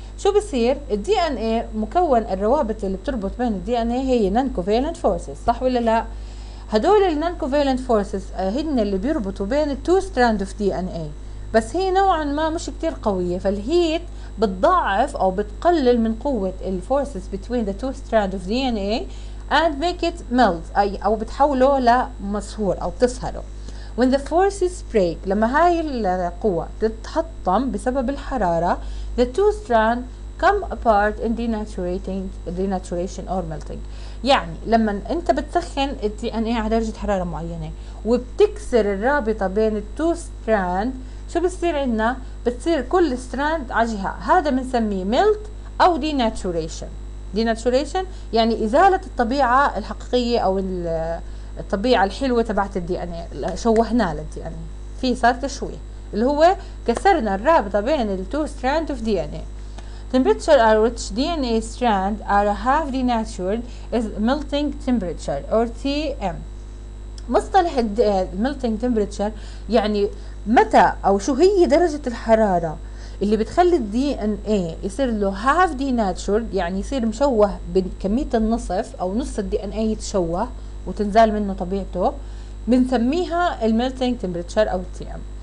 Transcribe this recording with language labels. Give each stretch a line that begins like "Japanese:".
Arabic: شو بصير؟ الدي ان اي مكون الروابط اللي بتربط بين الدي ان اي هي نان كوفالنت فورسز، صح ولا لا؟ هدول النان كوفالنت فورسز هن اللي بيربطوا بين التو ستراند اوف دي ان اي، بس هي نوعا ما مش كتير قوية، فالهيت بتضعف او بتقلل من قوة الفورسز
English: between the two strands of DNA and make it melt،
Arabic: اي او بتحوله لمصهور او بتصهره.
English: when the forces break،
Arabic: لما هاي القوة تتحطم بسبب الحرارة،
English: the two strands come apart in denaturation or melting.
Arabic: يعني لما انت بتسخن الـ DNA على درجة حرارة معينة وبتكسر الرابطة بين الـ two strands، شو بصير عنا؟ بتصير كل ستراند عجها، هذا بنسميه ميلت او ديناتوريشن. ديناتوريشن يعني ازالة الطبيعة الحقيقية او الطبيعة الحلوة تبعت الدي ان اي، شوهناه للدي ان اي، في صار تشويه اللي هو كسرنا الرابطة بين التو ستراند اوف دي ان اي.
English: temperature at which DNA strand are half denatured is melting temperature or TM.
Arabic: مصطلح الميلتنج تمبريتشر يعني متى او شو هي درجة الحرارة اللي بتخلي الدي ان اي يصير له هاف دي ناتشر، يعني يصير مشوه بكمية النصف او نص الدي ان اي يتشوه وتنزال منه طبيعته، بنسميها الميلتنج تمبريتشر او تي ام.